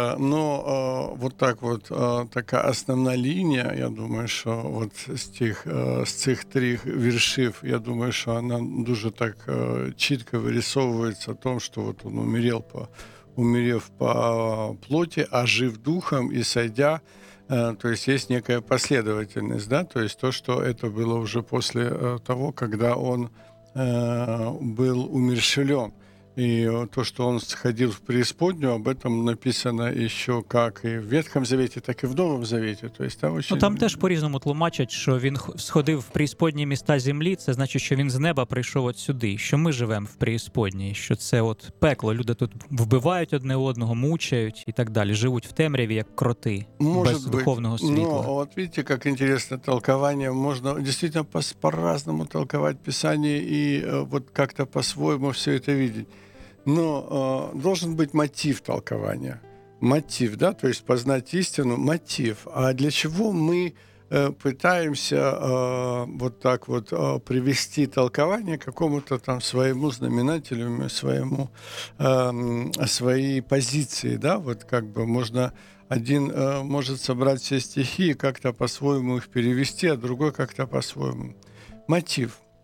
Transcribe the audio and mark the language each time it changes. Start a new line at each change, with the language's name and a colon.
Ukrainian: Ну, от так от, така основна лінія, я думаю, що от з цих трьох віршів, я думаю, що вона дуже так чітко вирисовується в тому, що от він умерев по плоті, а жив духом і сойдя.
Russian: То есть есть некая последовательность, да, то есть то, что это было уже после того, когда он был умерщвлен. И то, что он сходил в преисподнюю, об этом написано еще как и в Ветхом Завете, так и в Новом Завете. То есть там очень...
Ukrainian: Ну, там теж по-різному тлумачать, що він сходив в преисподні міста землі, це значить, що він з неба прийшов от сюди, що ми живемо в преисподній, що це от пекло, люди тут вбивають одне одного, мучають і так далі, живуть в темряві, як кроти,
Russian: может без духовного
Ukrainian: світла. Ну, от видите, як інтересне толкування, можна дійсно по-разному толкувати Писання і от як-то по-своєму все це бачити.
Russian: Но должен быть мотив толкования. Мотив, да, то есть познать истину, мотив. А для чего мы пытаемся вот так вот привести толкование к какому-то там своему знаменателю, своему, своей позиции, да, вот как бы можно один может собрать все стихи и как-то по-своему их перевести, а другой как-то по-своему. Мотив.